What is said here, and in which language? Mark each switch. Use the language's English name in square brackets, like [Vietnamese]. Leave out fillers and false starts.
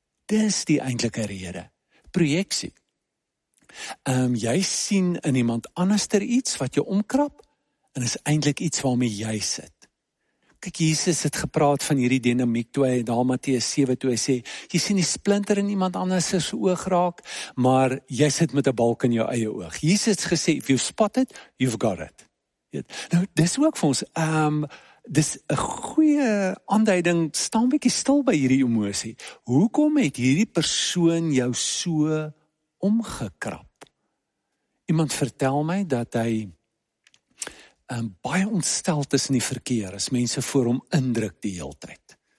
[Afrikaans] Dis die eintlike rede. Projeksie. Jy sien in iemand anderster iets wat jou omkrap en is eintlik iets waarmee jy sit. Kyk, Jesus het gepraat van hierdie dinamiek toe hy daar Matteus 7 toe hy sê, jy sien die splinter in iemand anders se oog raak, maar jy sit met 'n balk in jou eie oog. [English] Jesus [Afrikaans] gesê, [English] if you spot it, you've got it. [Afrikaans] Nou, dis ook vir ons, dis 'n goeie aanduiding, staan bietjie stil by hierdie emosie. Hoekom het hierdie persoon jou so omgekrap? Iemand vertel my dat hy baie ontsteld is in die verkeer, as mense voor hom indruk die hele tyd.